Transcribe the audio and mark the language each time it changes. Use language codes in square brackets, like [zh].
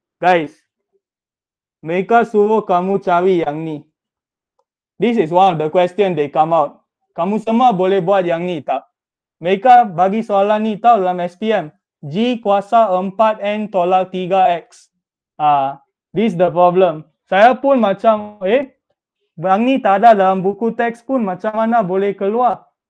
[ms] Guys, mereka suruh kamu cari yang ni. [en] This is one of the question they come out. [ms] Kamu semua boleh buat yang ni tak? Mereka bagi soalan ni tau dalam SPM. G kuasa 4N tolak 3X. [en] This the problem. [ms] Saya pun macam, yang ni tak ada dalam buku teks pun macam mana boleh keluar?